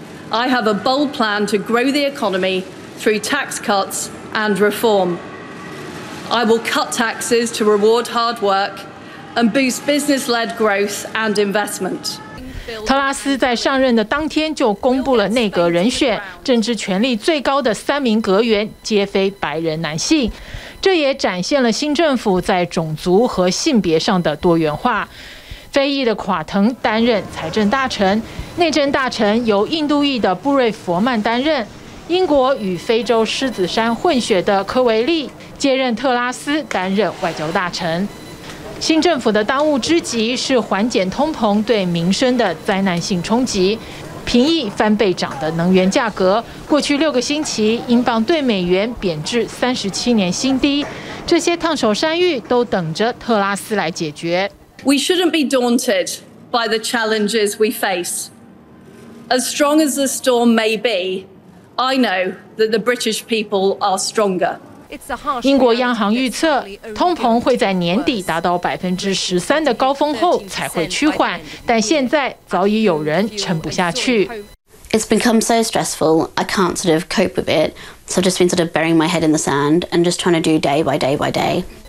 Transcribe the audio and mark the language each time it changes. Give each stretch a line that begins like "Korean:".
English: I have a bold plan to grow the economy through tax cuts and reform. I will cut taxes to reward hard work and boost business-led growth and investment.
Chinese: 特拉斯在上任的当天就公布了内阁人选，政治权力最高的3名阁员皆非白人男性。这也展现了新政府在种族和性别上的多元化。非裔的垮滕担任财政大臣，内政大臣由印度裔的布瑞佛曼担任，英国与非洲狮子山混血的科维利接任特拉斯担任外交大臣。新政府的当务之急是缓解通膨对民生的灾难性冲击。平抑翻倍涨的能源价格，过去6个星期，英镑对美元贬值37年新低，这些烫手山芋都等着特拉斯来解决。
English: We shouldn't be daunted by the challenges we face. As strong as the storm may be, I know that the British people are stronger.
Chinese: 英国央行预测，通膨会在年底达到13%的高峰后才会趋缓，但现在早已有人撑不下去。
English: It's become so stressful, I can't sort of cope with it. So I've just been sort of burying my head in the sand and just trying to do day by day by day.